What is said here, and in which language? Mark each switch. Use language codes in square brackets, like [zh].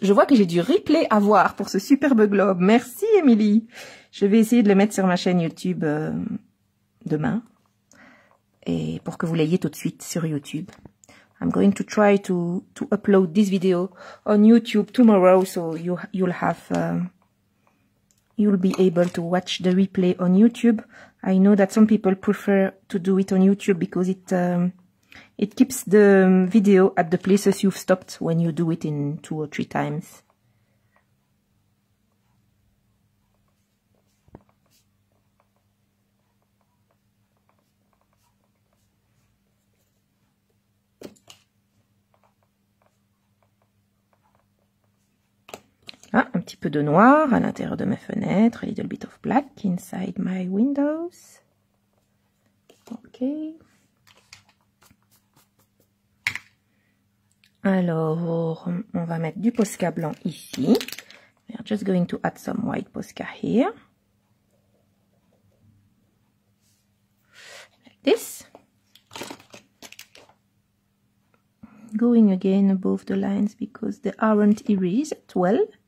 [fr] Je vois que j'ai du replay à voir pour ce superbe globe. Merci Émilie. Je vais essayer de le mettre sur ma chaîne YouTube demain. Et pour que vous l'ayez tout de suite sur YouTube. [en] I'm going to try to upload this video on YouTube tomorrow, so you'll be able to watch the replay on YouTube. I know that some people prefer to do it on YouTube because it keeps the video at the places you've stopped when you do it in 2 or 3 times. [fr] Ah, un petit peu de noir à l'intérieur de mes fenêtres. [en] A little bit of black inside my windows. [fr] Ok. Alors, on va mettre du Posca blanc ici. [en] We're just going to add some white Posca here. Like this. Going again above the lines because they aren't erased at well.